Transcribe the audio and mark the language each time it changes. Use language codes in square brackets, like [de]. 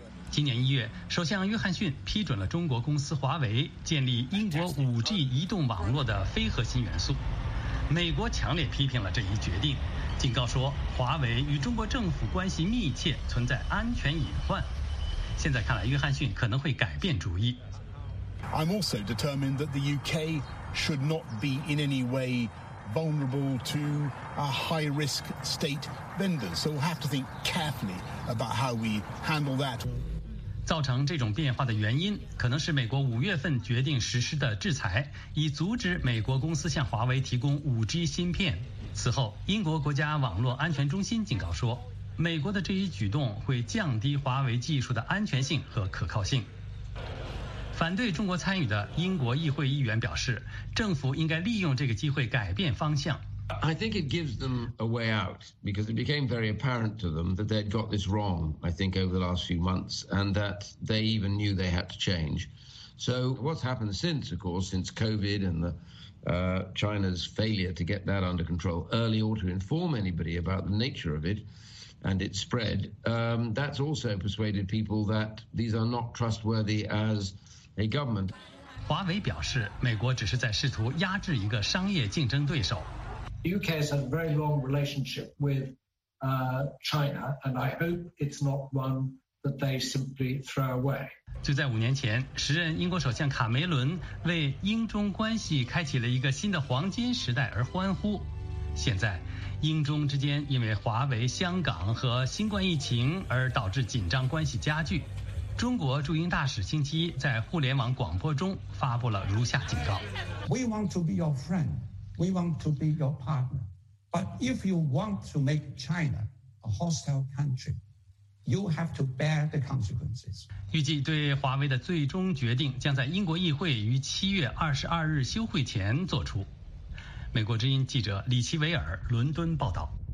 [zh] 今年1月，首相约翰逊批准了中国公司华为建立英国 5G 移动网络的非核心元素。美国强烈批评了这一决定，警告说华为与中国政府关系密切，存在安全隐患。现在看来，约翰逊可能会改变主意。 [en] I'm also determined that the UK should not be in any way vulnerable to a high-risk state vendor. So we'll have to think carefully about how we handle that. [zh] 造成这种变化的原因，可能是美国五月份决定实施的制裁，以阻止美国公司向华为提供 5G 芯片。此后，英国国家网络安全中心警告说，美国的这一举动会降低华为技术的安全性和可靠性。反对中国参与的英国议会议员表示，政府应该利用这个机会改变方向。 [en] I think it gives them a way out because it became very apparent to them that they'd got this wrong, I think, over the last few months, and that they even knew they had to change. So what's happened since, of course, since COVID and theChina's failure to get that under control early or to inform anybody about the nature of it and its spread, that's also persuaded people that these are not trustworthy as a government. [zh] 华为表示，美国只是在试图压制一个商业竞争对手。 [en] The UK has a very long relationship with China, and I hope it's not one that they simply throw away. [zh] 就在五年前，时任英国首相卡梅伦为英中关系开启了一个新的黄金时代而欢呼。现在，英中之间因为华为、香港和新冠疫情而导致紧张关系加剧。中国驻英大使星期一在互联网广播中发布了如下警告 [en] We want to be your friend. We want to be your partner. But if you want to make China a hostile country, you have to bear the consequences. [zh] 预计对华为的最终决定将在英国议会于7月22日休会前作出。美国之音记者李奇维尔伦敦报道。